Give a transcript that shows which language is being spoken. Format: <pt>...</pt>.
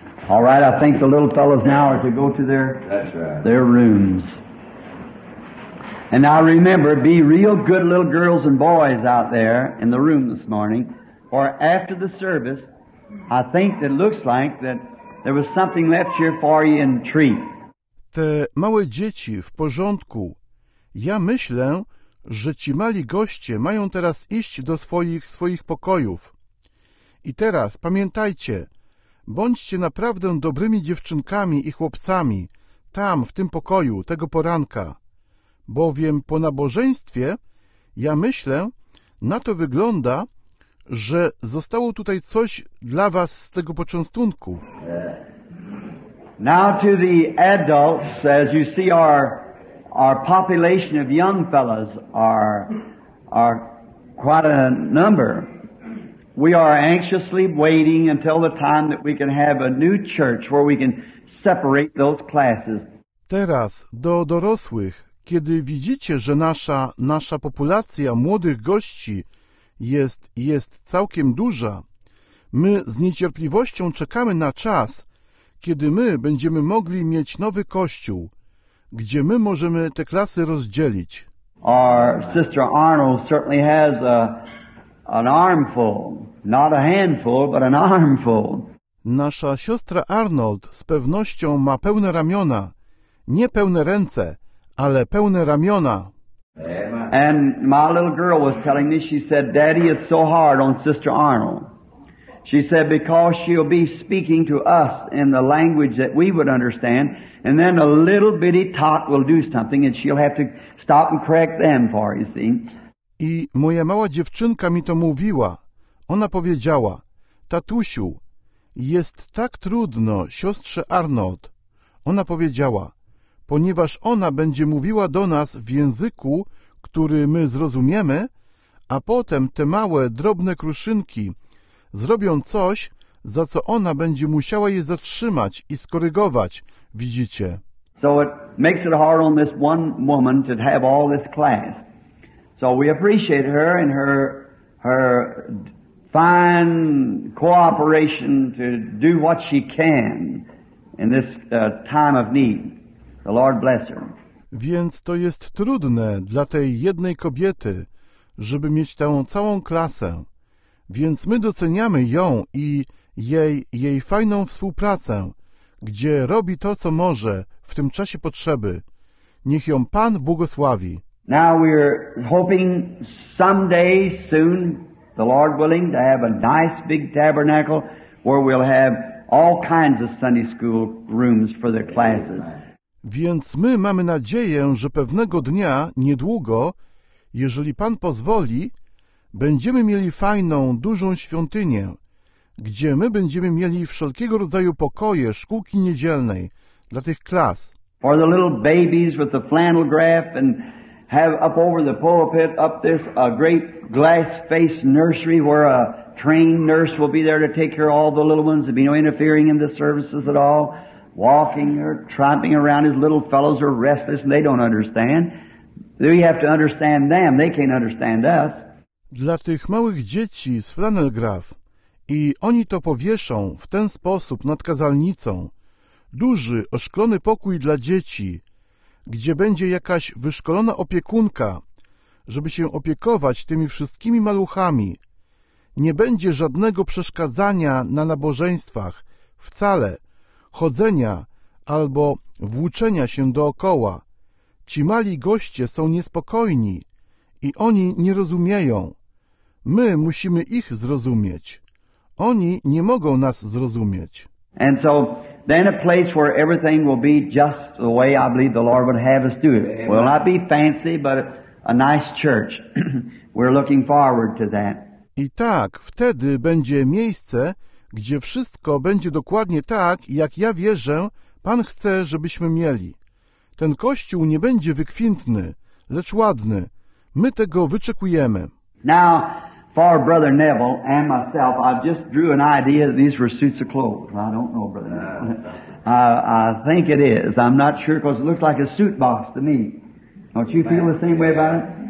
<en>All right, I think the little fellows now are to go to their, that's right, their rooms. And now remember, be real good little girls and boys out there in the room this morning, or after the service, I think that looks like that there was something left here for you in the tree.</en> <pl>Te małe dzieci, w porządku. Ja myślę, że ci mali goście mają teraz iść do swoich pokojów. I teraz pamiętajcie, bądźcie naprawdę dobrymi dziewczynkami i chłopcami tam, w tym pokoju, tego poranka. Bowiem po nabożeństwie, ja myślę, na to wygląda, że zostało tutaj coś dla was z tego poczęstunku.</pl> <en>Now to the adults, as you see our our population of young fellows are quite a number. We are anxiously waiting until the time that we can have a new church where we can separate those classes.</en> <pl>Teraz do dorosłych, kiedy widzicie, że nasza populacja młodych gości jest całkiem duża, my z niecierpliwością czekamy na czas, kiedy my będziemy mogli mieć nowy kościół, gdzie my możemy te klasy rozdzielić.</pl> <en>Our sister Arnold certainly has an armful, not a handful, but an armful.</en> <pl>Nasza siostra Arnold z pewnością ma pełne ramiona, nie pełne ręce, ale pełne ramiona.</pl> <en>And my little girl was telling me, she said, Daddy, it's so hard on Sister Arnold. She said, because she'll be speaking to us in the language that we would understand, and then a little bitty tot will do something, and she'll have to stop and correct them for, you see.</en> <pl>I moja mała dziewczynka mi to mówiła. Ona powiedziała, tatusiu, jest tak trudno siostrze Arnold. Ona powiedziała, ponieważ ona będzie mówiła do nas w języku, który my zrozumiemy, a potem te małe, drobne kruszynki zrobią coś, za co ona będzie musiała je zatrzymać i skorygować, widzicie.</pl> <en>So it makes it hard on this one woman to have all this class. So we appreciate her and her fine cooperation to do what she can in this time of need. The Lord bless her.</en> <pl>Więc to jest trudne dla tej jednej kobiety, żeby mieć tę całą klasę. Więc my doceniamy ją i jej fajną współpracę, gdzie robi to, co może w tym czasie potrzeby. Niech ją Pan błogosławi.</pl> <en>Now we're hoping someday, soon, the Lord willing, to have a nice big tabernacle where we'll have all kinds of Sunday school rooms for their classes.</en> <pl>Więc my mamy nadzieję, że pewnego dnia, niedługo, jeżeli Pan pozwoli, będziemy mieli fajną, dużą świątynię, gdzie my będziemy mieli wszelkiego rodzaju pokoje szkółki niedzielnej dla tych klas.</pl> <en>For the little babies with the flannel graph and have up over the pulpit up this a great glass-faced nursery where a trained nurse will be there to take care of all the little ones. There'll be no interfering in the services at all. Walking or tramping around as little fellows are restless and they don't understand. We have to understand them. They can't understand us.</en> <pl>Dla tych małych dzieci z flannel graph i oni to powieszą w ten sposób nad kazalnicą. Duży, oszklony pokój dla dzieci, gdzie będzie jakaś wyszkolona opiekunka, żeby się opiekować tymi wszystkimi maluchami. Nie będzie żadnego przeszkadzania na nabożeństwach, wcale. Chodzenia albo włóczenia się dookoła. Ci mali goście są niespokojni i oni nie rozumieją. My musimy ich zrozumieć. Oni nie mogą nas zrozumieć.</pl> <en>And so then a place where everything will be just the way I believe the Lord would have us do it. Will not be fancy, but a nice church. We're looking forward to that.</en> <pl>I tak, wtedy będzie miejsce, gdzie wszystko będzie dokładnie tak, jak ja wierzę, Pan chce, żebyśmy mieli. Ten kościół nie będzie wykwintny, lecz ładny. My tego wyczekujemy.</pl> <en>Now, for Brother Neville and myself, I just drew an idea that these were suits of clothes. I don't know, Brother Neville. I think it is. I'm not sure, because it looks like a suit box to me. Don't you feel the same way about it?</en>